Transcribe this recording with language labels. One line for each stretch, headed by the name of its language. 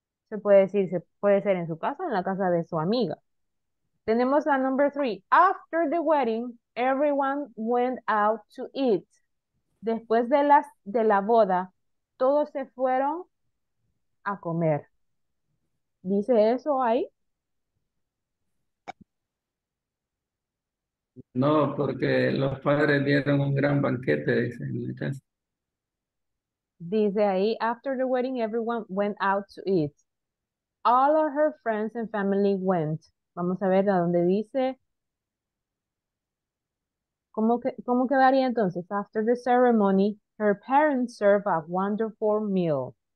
Spanish: Se puede decir, se puede ser en su casa, en la casa de su amiga. Tenemos la
English: number three. After the wedding, everyone went out to eat.
Spanish: Después de la boda, todos se fueron a comer. ¿Dice eso ahí? No, porque los padres dieron un gran banquete, dice. Dice ahí,
English: after the wedding, everyone went out to eat. All of her friends and family went.
Spanish: Vamos a ver a dónde dice. ¿Cómo quedaría entonces?
English: After the ceremony, her parents serve a wonderful meal.